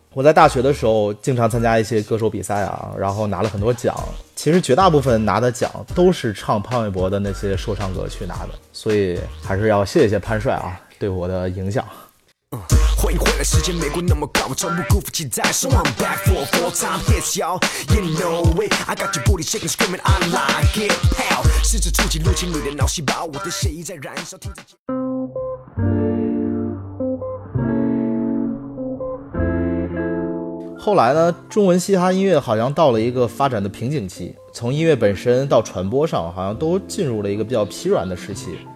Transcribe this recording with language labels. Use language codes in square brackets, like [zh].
[zh] 我在大学的时候经常参加一些歌手比赛啊，然后拿了很多奖，其实绝大部分拿的奖都是唱潘玮柏的那些说唱歌去拿的，所以还是要谢谢潘帅啊对我的影响。欢迎回来，时间没过那么高，我从不辜负期待。 [en] So I'm back for four times, yes, y'all. You know it, I got your booty shaking, screaming, I like it. [zh] Hell, 试着触及入侵你的脑细胞，我的血液在燃烧，听着。后来呢，中文嘻哈音乐好像到了一个发展的瓶颈期，从音乐本身到传播上，好像都进入了一个比较疲软的时期。